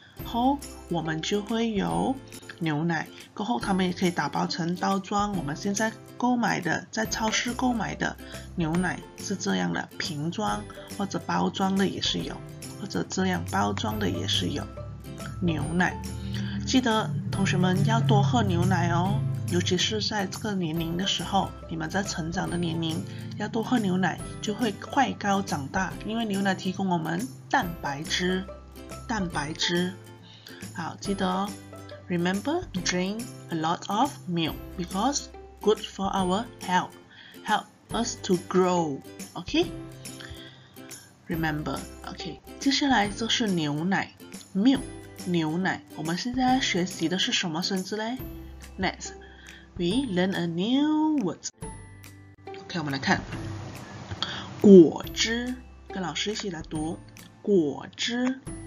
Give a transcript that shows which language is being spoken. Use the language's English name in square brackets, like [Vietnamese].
[Chinese] 后我们就会有牛奶，过后他们也可以打包成包装，我们现在购买的在超市购买的牛奶是这样的瓶装，或者包装的也是有，或者这样包装的也是有牛奶。记得同学们要多喝牛奶哦，尤其是在这个年龄的时候，你们在成长的年龄要多喝牛奶，就会快高长大，因为牛奶提供我们蛋白质，蛋白质。好，记得哦， [English] Remember drink a lot of milk because good for our health, help us to grow. OK, remember. [Chinese] OK, 接下来就是牛奶， milk 牛奶。我们现在学习的是什么生字呢？ [English] Next, we learn a new word. [Chinese] OK, 我们来看果汁，跟老师一起来读果汁。